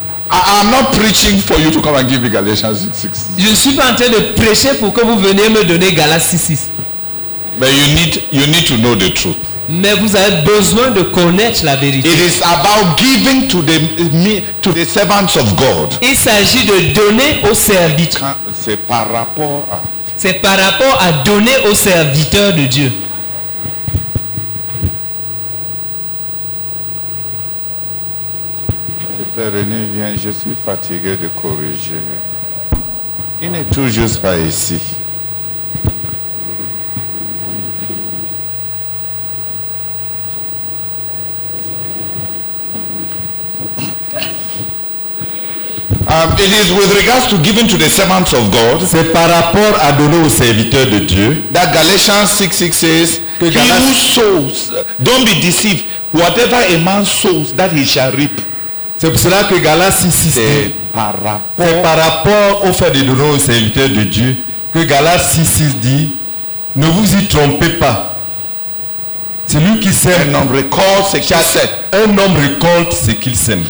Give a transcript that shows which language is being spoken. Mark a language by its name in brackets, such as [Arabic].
[English] I'm not preaching for you to come and give me Galatians 6:6. [French] Je ne suis pas en train de prêcher pour que vous veniez me donner Galatians 6:6. [English] But you need to know the truth. [French] Mais vous avez besoin de connaître la vérité. [English] It is about giving to the servants of God. [French] Il s'agit de donner aux serviteurs. C'est par rapport à donner aux serviteurs de Dieu. René vient, je suis fatigué de corriger. Il n'est toujours pas ici. [English] It is with regards to giving to the servants of God. [French] C'est par rapport à donner aux serviteurs de Dieu. [English] That Galatians 6:6 says, he who sows, don't be deceived. Whatever a man sows, that he shall reap. [French] C'est pour cela que Galates 6:6 dit, c'est par rapport au fait de donner aux serviteurs de Dieu que Galates 6:6 dit, ne vous y trompez pas. Celui qui sème, un homme récolte ce qu'il sème. Un homme récolte ce qu'il sème.